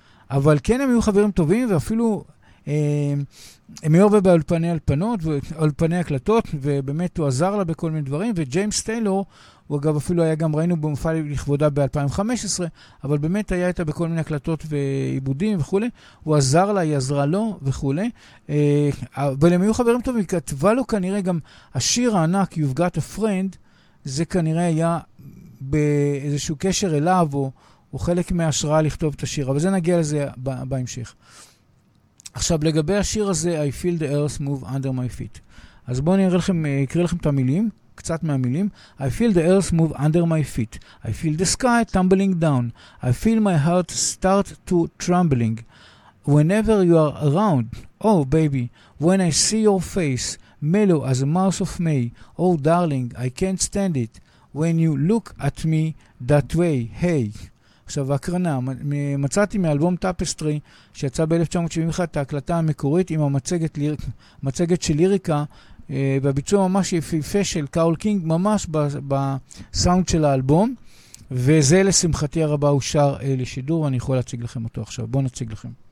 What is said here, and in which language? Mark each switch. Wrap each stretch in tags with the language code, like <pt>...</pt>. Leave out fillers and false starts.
<he>אבל כן, הם היו חברים טובים, ואפילו הם היו הרבה באולפני הקלטות, ובאמת הוא עזר לה בכל מיני דברים, וג'יימס טיילור, הוא אגב אפילו היה גם, ראינו במופע לכבודה ב-2015, אבל באמת היה איתה בכל מיני הקלטות ועיבודים וכו', הוא עזר לה, היא עזרה לו וכו', אבל הם היו חברים טובים, כתבה לו כנראה גם השיר הענק, You've Got a Friend, זה כנראה היה באיזשהו קשר אליו, או חלק מההשראה לכתוב את השיר, אבל זה נגיע לזה בהמשך. עכשיו, לגבי השיר הזה, I Feel the Earth Move Under My Feet. אז בואו אני אראה לכם, אקריא לכם את המילים, קצת מהמילים.</he> <en>I Feel the Earth Move Under My Feet. I Feel the Sky Tumbling Down. I Feel My Heart Start to Trembling. Whenever You Are Around, Oh Baby, When I See Your Face, Mellow as a Mouse of May, Oh Darling, I Can't Stand It, When You Look at Me That Way, Hey.</en> <he>עכשיו, הקרנה, מצאתי מאלבום טאפסטרי, שיצא ב-1971, את ההקלטה המקורית עם המצגת מצגת של ליריקה, והביצוע ממש יפה של קרול קינג, ממש בסאונד של האלבום, וזה לשמחתי הרבה אושר לשידור, אני יכול להציג לכם אותו עכשיו, בואו נציג לכם.</he>